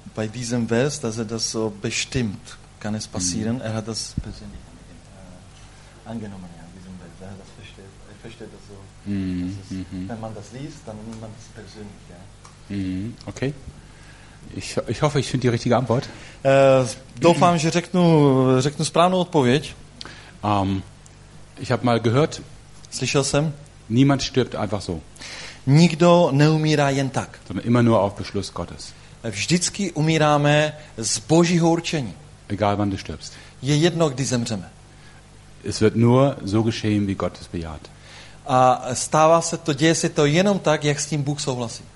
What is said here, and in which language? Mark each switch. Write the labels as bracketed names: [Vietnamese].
[German] Bei diesem Vers, dass er das so bestimmt, kann es passieren? Er hat das persönlich angenommen, ja, diesem Vers. Er hat das versteht. Er versteht das so. Wenn man das liest, dann nimmt man das persönlich, ja. Okay. Ich hoffe, ich finde die richtige Antwort. [Czech] Doufám, že řeknu správnou odpověď. [German] Ich habe mal gehört. [Czech] Slyšel jsem. [German] Niemand stirbt einfach so. [Czech] Nikdo neumírá jen tak. [German] Sondern immer nur auf Beschluss Gottes. [Czech] Vždycky umíráme z Božího určení. [German] Egal wann du stirbst. [Czech] Je jedno, kdy zemřeme. [German] Es wird nur so geschehen, wie Gott es bejaht. [Czech] A stává se to, děje se to jenom tak, jak s tím Bůh souhlasí.